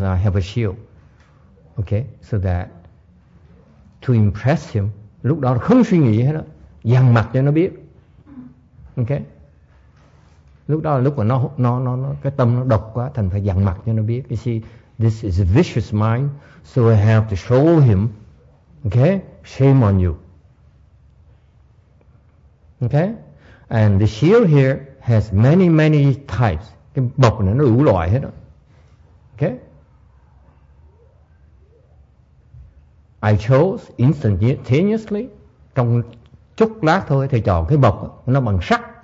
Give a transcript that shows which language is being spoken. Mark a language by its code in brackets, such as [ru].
[en] I have a shield, okay, so that to impress him. [vi] Lúc đó không suy nghĩ hết đó, dằn mặt cho nó biết, okay. Lúc đó là lúc mà nó cái tâm nó độc quá, thành phải dằn mặt cho nó biết. [en] You see, this is a vicious mind, so I have to show him, okay, shame on you, okay. And the shield here has many many types. [vi] Cái bọc này nó đủ loại hết đó. Okay. [en] I chose instantaneously. [vi] Trong chút lát thôi, thầy chọn cái bọc đó, nó bằng sắt.